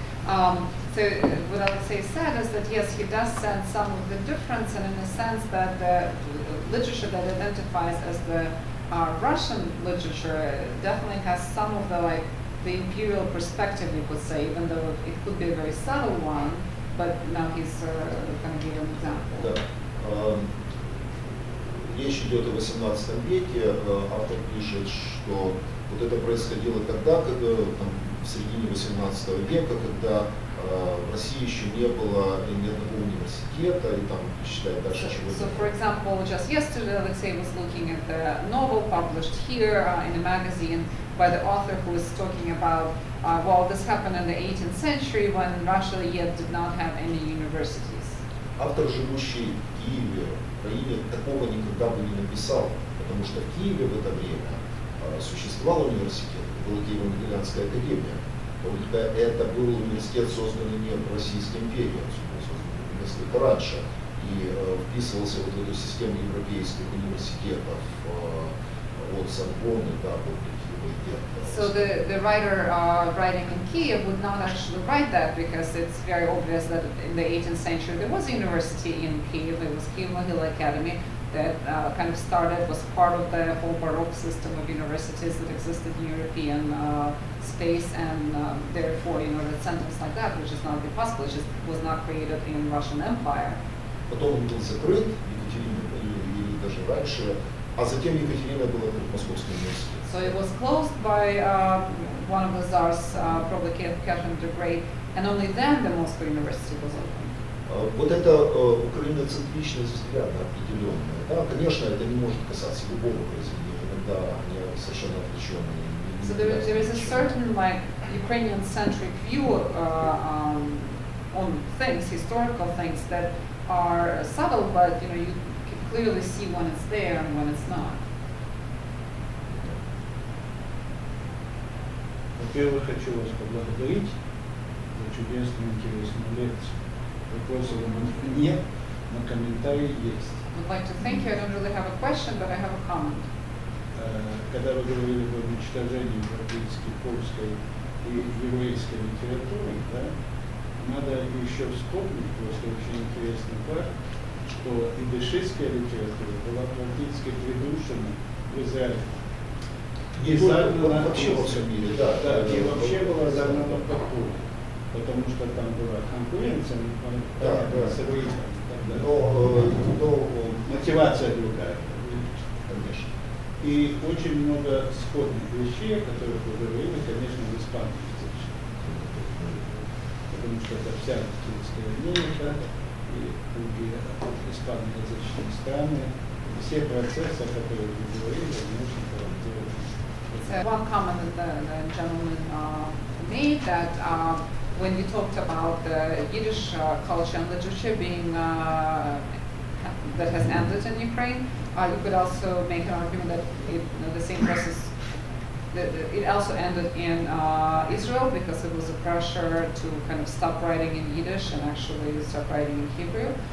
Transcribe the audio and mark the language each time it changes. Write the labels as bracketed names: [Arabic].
[English] So what Alexei said is that yes, he does sense some of the difference, and in a sense that the literature that identifies as the Russian literature definitely has some of the like the imperial perspective, you could say, even though it could be a very subtle one. But now he's going to give an example. [Russian] Речь идет о 18 веке, автор пишет, что вот это происходило тогда, когда, там, в середине 18 века, когда в России еще не было ни одного университета, и там считает дальше чего-то. [English] So, for example, just yesterday Alexei was looking at the novel published here in a magazine by the author who was talking about, well, this happened in the 18th century when Russia yet did not have any universities. [Russian] Автор, живущий в Киеве, такого никогда бы не написал, потому что в Киеве в это время существовал университет, была Киево-Могилянская академия. Только это был университет, созданный не в Российской империи, он создан несколько раньше, и вписывался вот в эту систему европейских университетов от Сорбонны, да, вот такие вот идеи. [English] So the writer writing in Kyiv would not actually write that because it's very obvious that in the 18th century there was a university in Kyiv. It was Kyiv-Mohyla Academy that kind of started, was part of the whole Baroque system of universities that existed in European space, and therefore, you know, that sentence like that, which is not really possible, it just was not created in Russian Empire. But all it was secret, Екатерина, even раньше, а затем Екатерина была в Московском университете. So it was closed by one of the czars, probably Catherine the Great, and only then the Moscow University was open. [Russian] Вот это украиноцентричность взгляда определенная. Да, конечно, это не может касаться любого произведения, когда они совершенно отвлеченные. [English] So there is a certain like Ukrainian-centric view on things, historical things that are subtle, but you know you can clearly see when it's there and when it's not. [Russian] Во-первых, хочу вас поблагодарить за чудесную интересную лекцию. Вопросы вам нет, но комментарии есть. [English] I'd like to thank you. I don't really have a question, but I have a comment. [Russian] Когда вы говорили об уничтожении европейской, польской и еврейской литературы, да, надо еще вспомнить, просто очень интересный факт, что идышистская литература была практически придушена в Израиле. И загнана вообще во всем мире. Да, да, да, и вообще была загнана в Польшу, потому что там была конкуренция, но да, да, с Израилем. Мотивация другая, конечно. И очень много сходных вещей, о которых вы говорили, конечно, в Испании. Потому что это вся Латинская Америка и другие испаноязычные страны. Все процессы, о которых вы говорили, они очень гарантированы. [English] One comment that the gentleman made, that when you talked about the Yiddish culture and literature being that has ended in Ukraine, you could also make an argument that it, you know, the same process, that it also ended in Israel, because it was a pressure to kind of stop writing in Yiddish and actually start writing in Hebrew.